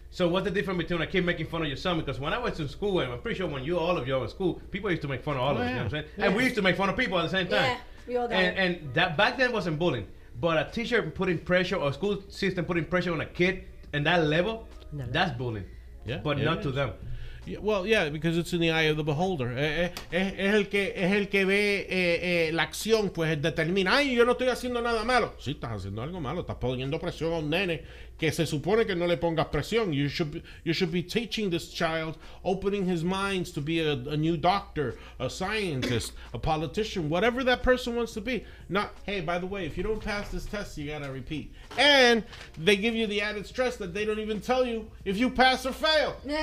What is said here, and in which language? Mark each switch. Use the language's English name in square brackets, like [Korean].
[English] So what's the difference between a kid making fun of your son? Because when I was in school, and I'm pretty sure when you all of y'all were in school, people used to make fun of all of us. You know what I'm saying? Yeah. And we used to make fun of people at the same time. Yeah, we all got And that back then wasn't bullying. But a teacher putting pressure, or a school system putting pressure on a kid in that level, No, that's bullying. Yeah, but not to them. Yeah, well, yeah, because it's in the eye of the beholder. [Spanish] Es el que ve la acción, pues determina. Ay, yo no estoy haciendo nada malo. Sí, estás haciendo algo malo. Estás poniendo presión a un nene que se supone que no le pongas presión. [English] You should be teaching this child, opening his mind to be a new doctor, a scientist, a politician, whatever that person wants to be. Not, hey, by the way, if you don't pass this test, you gotta repeat. And they give you the added stress that they don't even tell you if you pass or fail.